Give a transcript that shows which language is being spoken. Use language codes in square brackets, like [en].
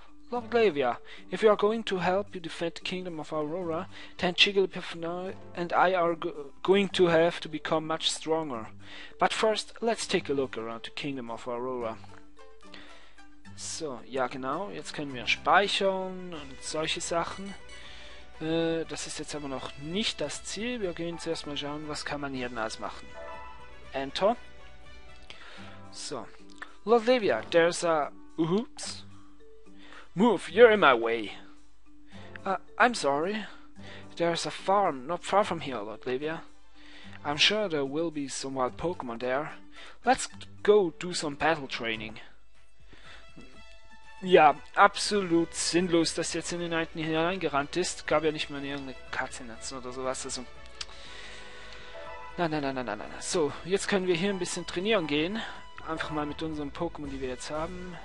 [en] Lord Lavia, if you are going to help you defend the kingdom of Aurora, then Jigglypuff and I are going to have to become much stronger. But first, let's take a look around the kingdom of Aurora. [de] So, ja genau, jetzt können wir speichern und solche Sachen. Das ist jetzt aber noch nicht das Ziel. Wir gehen zuerst mal schauen, was kann man hier denn alles machen. [en] Enter. So. Lothlivia, there's a... Oops. Move, you're in my way. I'm sorry. There's a farm not far from here, Lothlivia. I'm sure there will be some wild Pokémon there. Let's go do some battle training. [de] Ja, absolut sinnlos, dass jetzt in den Einten hineingerannt ist. Gab ja nicht mal irgendeine Cutscene oder sowas. Also nein. So, jetzt können wir hier ein bisschen trainieren gehen. Einfach mal mit unseren Pokémon, die wir jetzt haben.